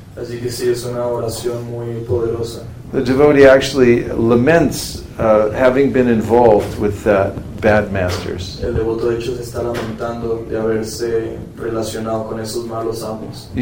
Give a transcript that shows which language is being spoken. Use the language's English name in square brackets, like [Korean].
[Spanish] Así que sí, es una oración muy poderosa. [English] The devotee actually laments having been involved with bad masters. [Spanish] El devoto de hecho se está lamentando de haberse relacionado con esos malos amos.